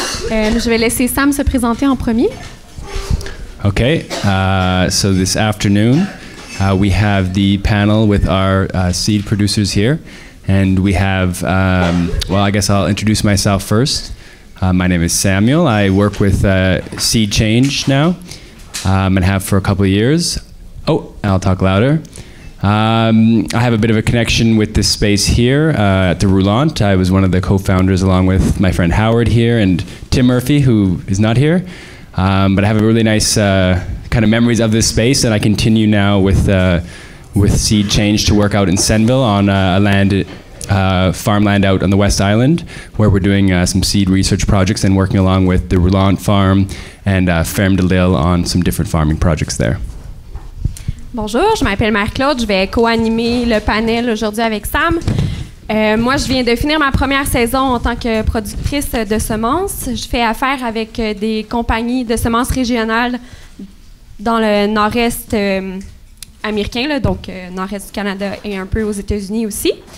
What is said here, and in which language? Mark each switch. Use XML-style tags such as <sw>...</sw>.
<fr>Je vais laisser Sam se présenter en premier.</fr> <en>OK. So this afternoon, we have the panel with our seed producers here. And we have, well, I guess I'll introduce myself first. My name is Samuel. I work with Seed Change now and have for a couple of years. Oh, I'll talk louder. I have a bit of a connection with this space here at the Roulant. I was one of the co-founders along with my friend Howard here and Tim Murphy, who is not here. But I have a really nice kind of memories of this space, and I continue now with Seed Change to work out in Senville on a land, farmland out on the West Island, where we're doing some seed research projects and working along with the Roulant Farm and Ferme de Lille on some different farming projects there.</en> <fr>Bonjour, je m'appelle Marie-Claude, je vais co-animer le panel aujourd'hui avec Sam. Moi, je viens de finir ma première saison en tant que productrice de semences. Je fais affaire avec des compagnies de semences régionales dans le nord-est américain, là, donc nord-est du Canada et un peu aux États-Unis aussi.</fr>